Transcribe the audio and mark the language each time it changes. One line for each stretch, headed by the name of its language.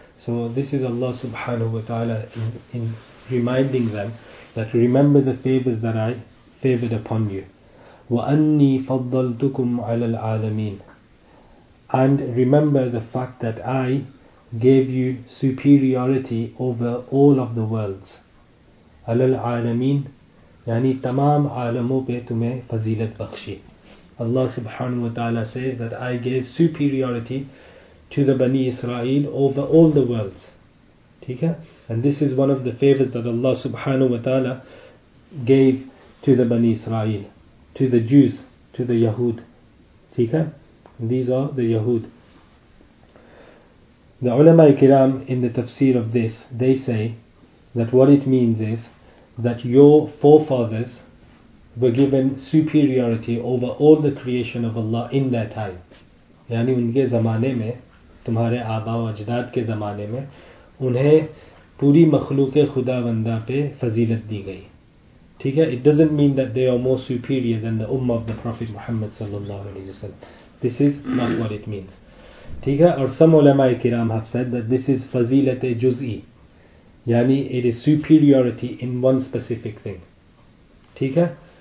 English: So this is Allah subhanahu wa ta'ala in reminding them that remember the favors that I favored upon you.
Arabic: وَأَنِّي فَضَّلْتُكُمْ عَلَى الْعَالَمِينَ.
English: And remember the fact that I gave you superiority over all of the worlds.
Arabic: عَلَى الْعَالَمِينَ.
Urdu: یعنی تمام عالمو پہ تمہیں فضیلت بخشی۔
English: Allah subhanahu wa ta'ala says that I gave superiority to the Bani Israel over all the worlds. And this is one of the favors that Allah subhanahu wa ta'ala gave to the Bani Israel, to the Jews, to the Yahud. And these are the Yahud. The ulama kiram in the tafsir of this, they say that what it means is that your forefathers were given superiority over all the creation of Allah in their time.
Urdu: یعنی ان کے زمانے میں، تمہارے آبا و اجداد کے زمانے میں، انہیں پوری مخلوقِ خدا بندہ پہ فضیلت دی گئی۔ ٹھیک ہے؟
English: It doesn't mean that they are more superior than the ummah of the Prophet Muhammad sallallahu alaihi wasallam. This is not what it means.
Urdu: Theek hai?
English: Or some ulama-e-kiram have said that this is fazilat-e-juz'i. Yani, it is superiority in one specific thing.
Urdu: Theek hai?